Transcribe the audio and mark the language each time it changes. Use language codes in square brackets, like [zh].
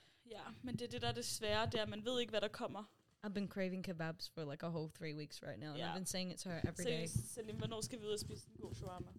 [da] Ja, men det er det, der er det svære, det er, at man ved ikke, hvad der kommer. [en] I've been craving kebabs for like a whole 3 weeks right now. Yeah. And I've been saying it to her every day. [da] Selim, hvornår skal vi ud og spise en god shawarma?